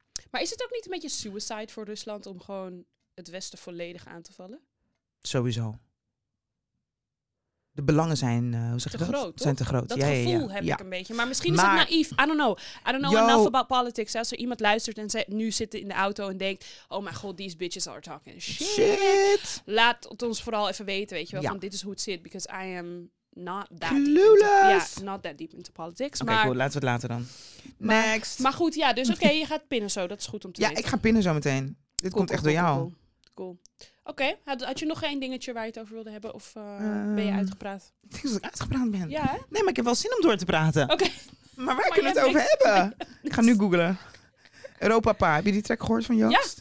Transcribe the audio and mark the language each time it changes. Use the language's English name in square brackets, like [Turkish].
[Dutch] Maar is het ook niet een beetje suicide voor Rusland om gewoon het Westen volledig aan te vallen? Sowieso. De belangen zijn, hoe zeg te je dat? Groot, zijn te groot. Dat gevoel heb ik een beetje. Maar misschien is het naïef. [English] I don't know enough about politics. [Dutch] Als er iemand luistert en ze nu zitten in de auto en denkt... [English] Oh my god, these bitches are talking shit. [Dutch] Laat het ons vooral even weten, weet je wel. Ja. Want dit is hoe het zit. [English] Because I am not that, not that deep into politics. [Dutch] Oké, [English] okay, [Dutch] cool. Laten we het later dan. Next. Maar goed, ja. Dus oké, je gaat pinnen zo. Dat is goed om te weten. Ja, ik ga pinnen zo meteen. Dit komt echt door jou. Oké, had je nog geen dingetje waar je het over wilde hebben? Of ben je uitgepraat? Ik denk dat ik uitgepraat ben. Ja, hè? Nee, maar ik heb wel zin om door te praten. Oké. [English] Okay. [Dutch] Maar waar kunnen we het over hebben? Ik ga nu googlen. Europa Pa, heb je die track gehoord van Joost?